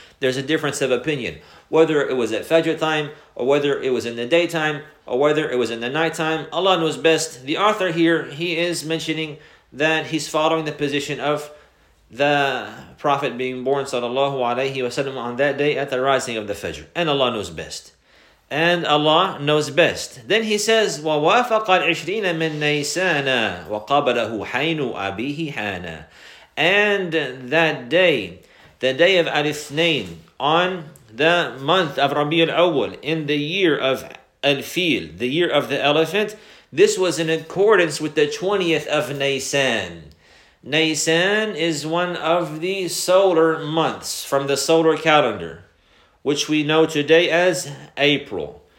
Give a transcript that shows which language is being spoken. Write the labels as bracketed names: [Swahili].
[English] There's a difference of opinion. Whether it was at Fajr time, or whether it was in the daytime, or whether it was in the nighttime, Allah knows best. The author here, he is mentioning that he's following the position of the Prophet being born, sallallahu alayhi wa sallam, on that day at the rising of the Fajr. And Allah knows best. And Allah knows best. Then he says, [Arabic] وَوَافَقَ الْعِشْرِينَ مِنْ نَيْسَانَ وَقَبَلَهُ حَيْنُ أَبِيهِ حَانَ. [English] And that day, the day of al-Ithnain, on the month of Rabi al-Awwal, in the year of al-Fil, the year of the elephant, this was in accordance with the 20th of Nisan. Nisan is one of the solar months from the solar calendar, which we know today as April.